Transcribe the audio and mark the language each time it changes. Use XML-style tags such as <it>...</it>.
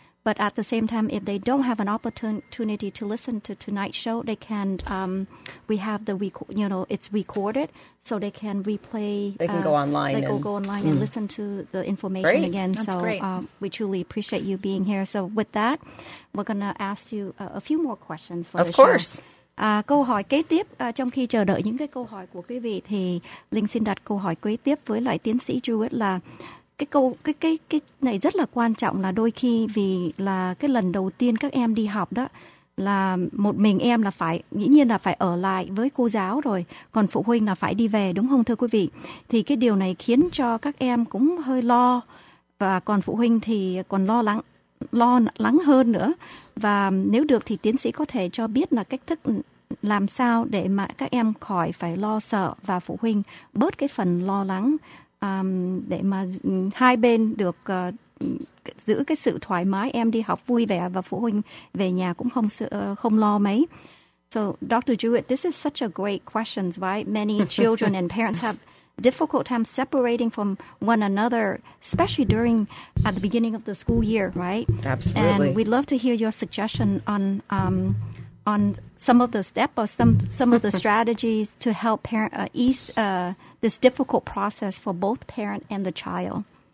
<en>But at the same time, if they don't have an opportunity to listen to tonight's show, they can. We have the it's recorded, so they can replay. They can go online. They can go online and listen to the information great. Again. That's so great. We truly appreciate you being here. So with that, we're gonna ask you a few more questions for of the course. Show.</en> <vi>Câu hỏi kế tiếp, trong khi chờ đợi những cái câu hỏi của quý vị, thì Linh xin đặt câu hỏi kế tiếp với lại tiến sĩ Jewett là. Cái này rất là quan trọng, là đôi khi vì là cái lần đầu tiên các em đi học đó, là một mình em là phải, dĩ nhiên là phải ở lại với cô giáo rồi, còn phụ huynh là phải đi về, đúng không thưa quý vị? Thì cái điều này khiến cho các em cũng hơi lo, và còn phụ huynh thì còn lo lắng hơn nữa. Và nếu được thì tiến sĩ có thể cho biết là cách thức làm sao để mà các em khỏi phải lo sợ và phụ huynh bớt cái phần lo lắng, để mà hai bên được giữ cái sự thoải mái, em đi học vui vẻ và phụ huynh về nhà cũng không lo mấy.</vi> <en>So, Dr. Jewett, this is such a great question. Right? Many children and parents have difficult time separating from one another, especially during at the beginning of the school year, right? Absolutely. And we'd love to hear your suggestion on some of the steps or some of the strategies to help parent ease this difficult process for both parent and the child.</en>